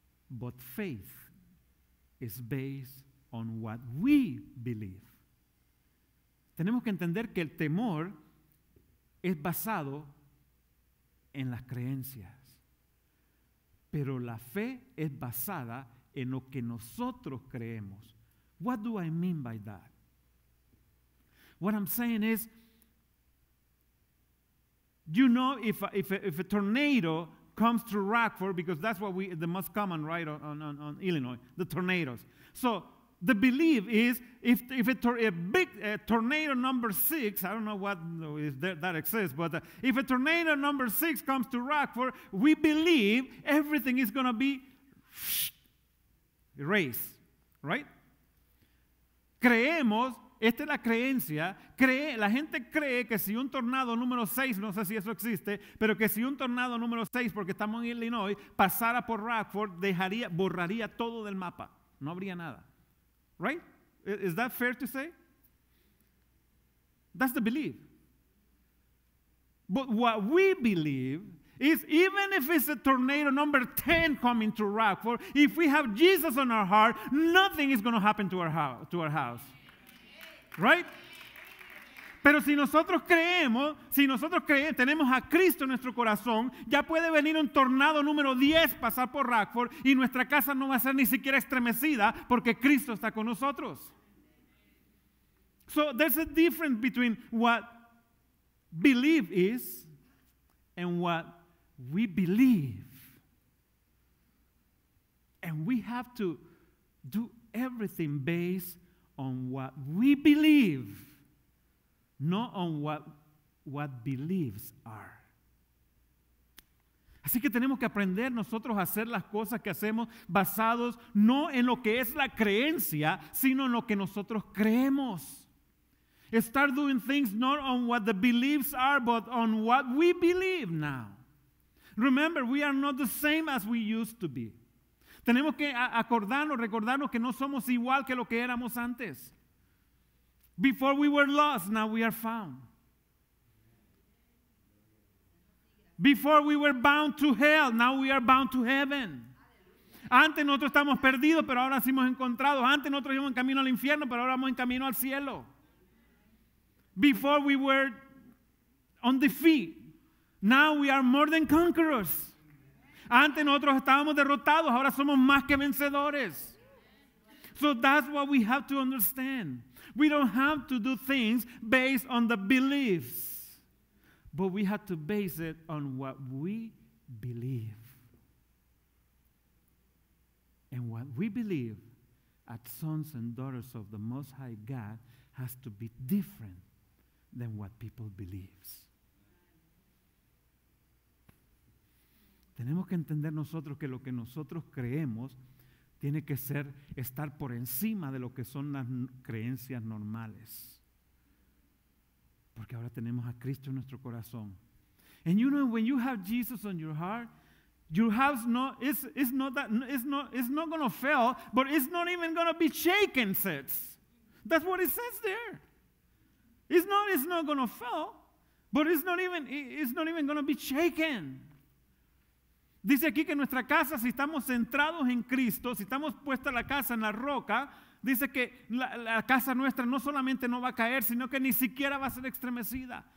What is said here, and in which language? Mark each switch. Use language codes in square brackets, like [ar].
[en] But faith is based on what we believe. [es] Tenemos que entender que el temor es basado en las creencias. Pero la fe es basada en lo que nosotros creemos. [en] What do I mean by that? What I'm saying is, you know, if a tornado comes to Rockford, because that's what we the most common, right, on Illinois, the tornadoes. So the belief is if a tornado number six, I don't know what is there, that exists, but if a tornado number six comes to Rockford, we believe everything is going to be erased, right? [es] Creemos. Esta es la creencia. La gente cree que si un tornado número 6, no sé si eso existe, pero que si un tornado número 6, porque estamos en Illinois, pasara por Rockford, borraría todo del mapa. No habría nada. [en] Right? Is that fair to say? That's the belief. But what we believe is even if it's a tornado number 10 coming to Rockford, if we have Jesus on our heart, nothing is going to happen to our house. Right? [es] Pero si nosotros creemos, tenemos a Cristo en nuestro corazón, ya puede venir un tornado número 10 pasar por Rockford y nuestra casa no va a ser ni siquiera estremecida porque Cristo está con nosotros. [en] So there's a difference between what belief is and what we believe. And we have to do everything based on what we believe, not on what beliefs are. [es] Así que tenemos que aprender nosotros a hacer las cosas que hacemos basados no en lo que es la creencia, sino en lo que nosotros creemos. [en] Start doing things not on what the beliefs are, but on what we believe now. Remember, we are not the same as we used to be. [es] Tenemos que recordarnos que no somos igual que lo que éramos antes. [en] Before we were lost, now we are found. Before we were bound to hell, now we are bound to heaven. [es] Antes nosotros estábamos perdidos, pero ahora sí hemos encontrado. Antes nosotros íbamos en camino al infierno, pero ahora vamos en camino al cielo. [en] Before we were on defeat, now we are more than conquerors. [es] Antes nosotros estábamos derrotados, ahora somos más que vencedores. [en] So that's what we have to understand. We don't have to do things based on the beliefs, but we have to base it on what we believe. And what we believe as sons and daughters of the Most High God has to be different than what people believe. [es] Tenemos que entender nosotros que lo que nosotros creemos tiene que ser estar por encima de lo que son las creencias normales. Porque ahora tenemos a Cristo en nuestro corazón. [en] And you know, when you have Jesus on your heart, your house it's not going to fail, but it's not even going to be shaken, says. That's what it says there. It's not going to fail, but it's not even going to be shaken. [es] Dice aquí que nuestra casa, si estamos centrados en Cristo, si estamos puesta la casa en la roca, dice que la casa nuestra no solamente no va a caer, sino que ni siquiera va a ser estremecida.